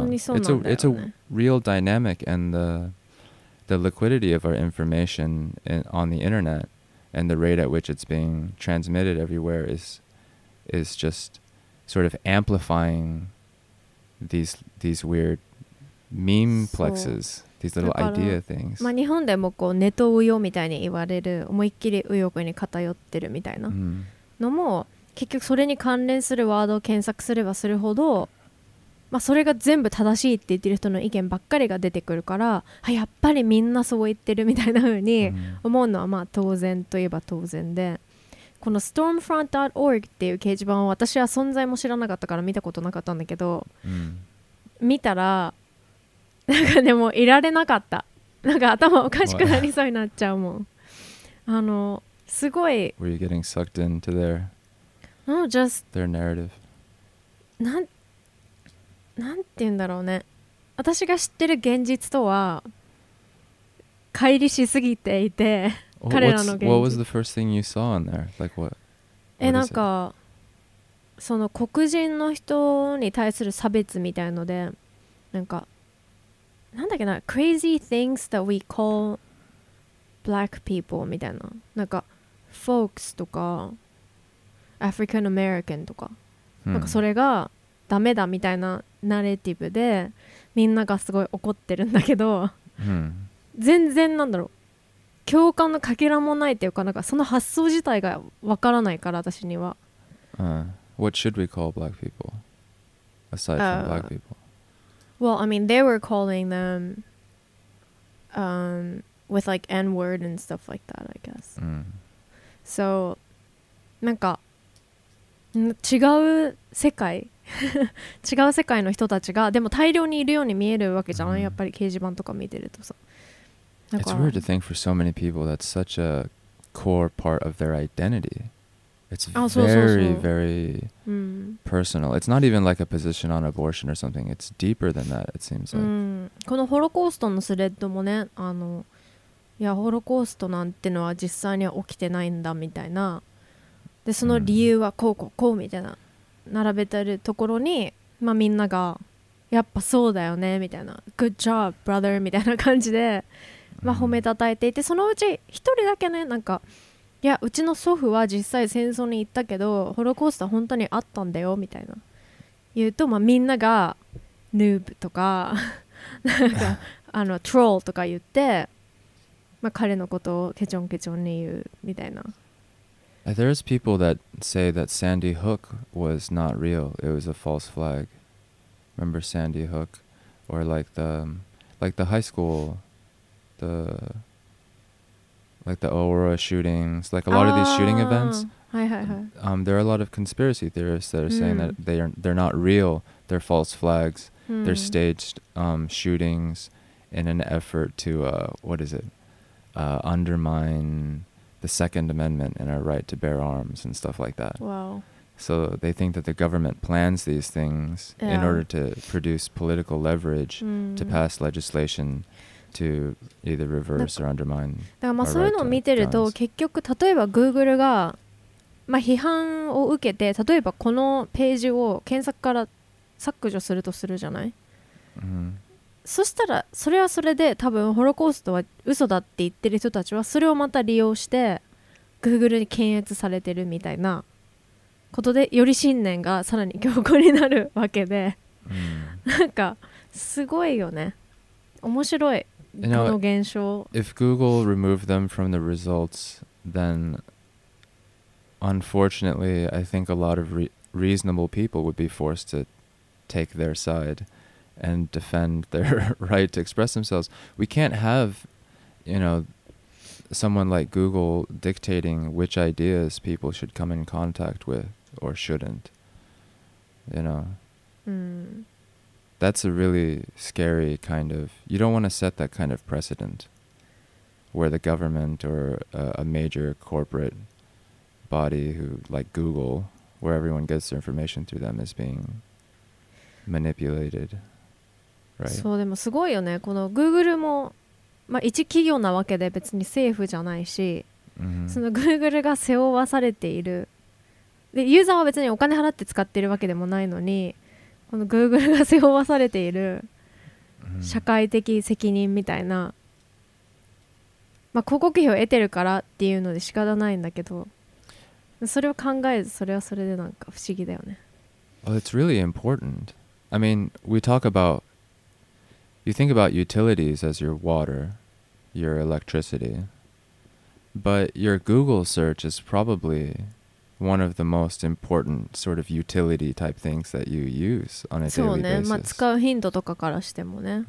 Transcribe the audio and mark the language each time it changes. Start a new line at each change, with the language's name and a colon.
English: It's a real dynamic, and the liquidity of our information on the internet and the rate at which it's being transmitted everywhere is just sort of amplifying these weirdメームプレクス、these little idea things。
Japanese: まあ日本でもこうネトウヨみたいに言われる、思いっきり右翼に偏ってるみたいなのも、結局それに関連するワードを検索すればするほど、まあそれが全部正しいって言ってる人の意見ばっかりが出てくるから、やっぱりみんなそう言ってるみたいな風に思うのはまあ当然といえば当然で、この stormfront.org っていう掲示板を私は存在も知らなかったから見たことなかったんだけど、見たら。なんかでもいられなかった、なんか頭おかしくなりそうになっちゃうもん。あのすごい
English: Were you getting sucked into their No, just their narrative?
Japanese: なんて言うんだろうね、私が知ってる現実とは乖離しすぎていて、彼らの現実。
English: What was the first thing you saw in there? Like what?
Japanese: なんかその黒人の人に対する差別みたいので、なんかなんだっけな、
English: crazy things that we call black people
Japanese: みたいな、なんか folks とか African American とか、なんかそれがダメだみたいなナレティブでみんながすごい怒ってるんだけど、全然なんだろう、共感のかけらもないっていうか、なんかその発想自体がわからないから私には。
English: What should we call black people aside from black people? Well, I mean, they were calling them with like N-word and stuff like that, I guess.
Japanese: So, なんか違う世界違う世界の人たちがでも大量にいるように見えるわけじゃない、やっぱり掲示板とか見てるとさ。
English: It's weird to think for so many people that's such a core part of their identity. It's very, very personal. It's not even like a position on abortion or something. It's deeper than that, it seems like.
Japanese: このホロコーストのスレッドもね、あの、いや、ホロコーストなんてのは実際には起きてないんだみたいな。で、その理由はこうこうこうみたいな。並べてるところに、まあみんなが、やっぱそうだよねみたいな。
English: Good job, brother!
Japanese: みたいな感じで、まあ褒めたたえていて、そのうち一人だけね、なんか、いや、うちの祖父は実際戦争に行ったけど、ホロコースト本当にあったんだよみたいな言うと、まあ、みんながヌーブとかなんかあのトロールとか言って、まあ、彼のことをケチョンケチョンに言うみたいな。
English: There's people that say that Sandy Hook was not real. It was a false flag. Remember Sandy Hook? Or like the high school, the, like the Aurora shootings, like a lot of these shooting events. There are a lot of conspiracy theorists that are saying that they're not real. They're false flags. They're staged shootings in an effort to, what is it? Undermine... the Second Amendment and our right to bear arms and stuff like that. Wow. So they think that the government plans these things in order to produce political leverage to pass legislation to either reverse or undermine
Japanese: だからまあそういうのを見てると結局例えば Google がまあ批判を受けて例えばこのページを検索から削除するとするじゃない、 mm-hmm. そしたらそれはそれで多分ホロコーストは嘘だって言ってる人たちはそれをまた利用して Google に検閲されてるみたいなことでより信念がさらに強固になるわけで、なんかすごいよね、面白いこの現象。
English: You know, if Google removed them from the results, then unfortunately I think a lot of reasonable people would be forced to take their sideand defend their right to express themselves. We can't have, you know, someone like Google dictating which ideas people should come in contact with or shouldn't, you know. That's a really scary kind of, you don't want to set that kind of precedent where the government or a major corporate body who like Google, where everyone gets their information through them, is being manipulated. Right.
Japanese: そうでもすごいよねこの Google も、まあ、一企業なわけで別に政府じゃないし、その Google が背負わされている、でユーザーは別にお金払って使っているわけでもないのに、この Google が背負わされている社会的責任みたいな、まあ、広告費を得てるからっていうので仕方ないんだけど、それを考えずそれはそれでなんか不思議だよね。
English: Well, it's really important. I mean, we talk aboutYou think about utilities as your water, your electricity. But your Google search is probably one of the most important sort of utility type things that you use on a daily basis.
Japanese: そうね。まあ、使う頻度とかからしてもね。